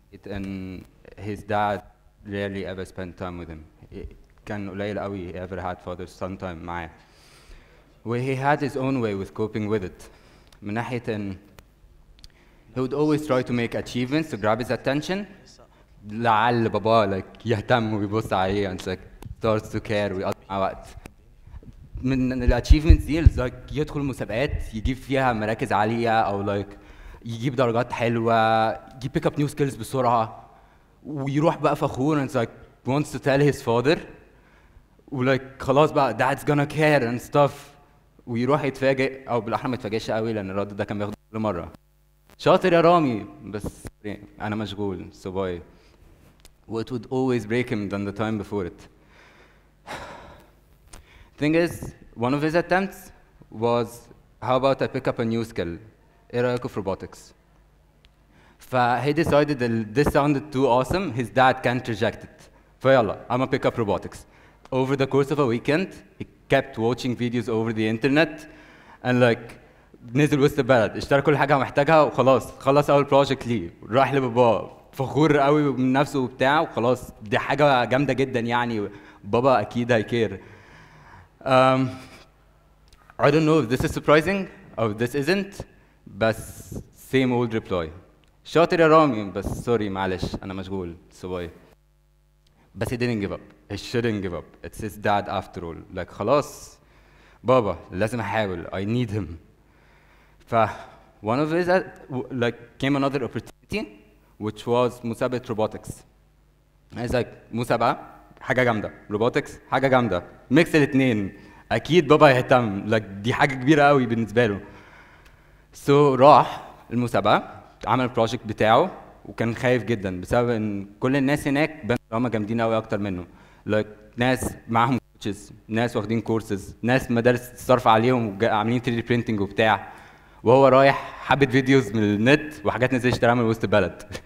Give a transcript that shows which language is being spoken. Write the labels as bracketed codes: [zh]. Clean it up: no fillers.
[en] And his dad rarely ever spent time with him. [ar] كان قليل قوي [en] he ever had father's son time [ar] معاه. [en] Well, he had his own way with coping with it. [ar] من ناحية ان [en] he would always try to make achievements to grab his attention. [ar] لعل بابا like يهتم ويبص عليه [en] and like starts to care [ar] ويقضي معاه وقت. من ال achievements دي like يدخل مسابقات يجيب فيها مراكز عالية أو like يجيب درجات حلوة يجيب [en] pick up new skills [ar] بسرعة ويروح بقى فخور [en] and like wants to tell his father [ar] ولايك خلاص بقى [en] dad's gonna care and stuff [ar] ويروح يتفاجئ او بالاحرى ما يتفاجئش قوي لان الرد ده كان بياخده كل مره شاطر يا رامي بس انا مشغول [en] so boy what would always break him than the time before it thing is one of his attempts was how about I pick up a new skill [ar] ايه رايك في [en] robotics ف he decided that this sounded too awesome his dad can't reject it فيلا I'm gonna pick up robotics. Over the course of a weekend, he kept watching videos over the internet and like [ar] نزل وسط البلد اشترى كل حاجة محتاجها وخلاص خلص أول project لي راح لبابا فخور قوي من نفسه وبتاع وخلاص دي حاجة جامدة جدا يعني بابا أكيد هيكير. [en] I don't know if this is surprising or if this isn't, but same old reply. [ar] شاطر يا رامي بس سوري معلش أنا مشغول سواي. [en] But he didn't give up. He shouldn't give up. It's his dad after all. [ar] Like, خلاص, بابا, لازم أحاول. [en] I need him. ف one of his, like, came another opportunity, which was مسابقة robotics. He's like, [ar] مسابقة, حاجة جامدة. روبوتكس, حاجة جامدة. ميكس الاثنين. أكيد بابا يهتم. Like, دي حاجة كبيرة قوي بالنسبة له. So, راح المسابقة, عمل البروجكت بتاعه, وكان خايف جدا بسبب ان كل الناس هناك هم جامدين قوي اكتر منه like ناس معاهم كوتشز ناس واخدين كورسز ناس مدارس صرف عليهم عاملين 3D printing وبتاع وهو رايح حبه فيديوز من النت وحاجات نزل اشتراها من وسط البلد